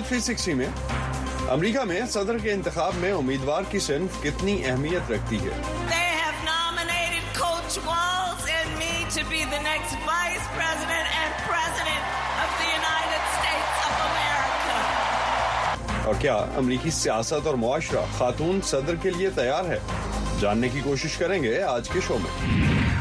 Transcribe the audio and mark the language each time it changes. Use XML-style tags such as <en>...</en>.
<ur>امریکہ میں صدر کے انتخاب میں امیدوار کی صنف کتنی اہمیت رکھتی ہے؟</ur> <en>They have nominated Coach Walls and me to be the next vice president and president of the United States of America.</en> <ur>اور کیا امریکی سیاست اور معاشرہ خاتون صدر کے لیے تیار ہے؟ جاننے کی کوشش کریں گے آج کے شو میں.</ur>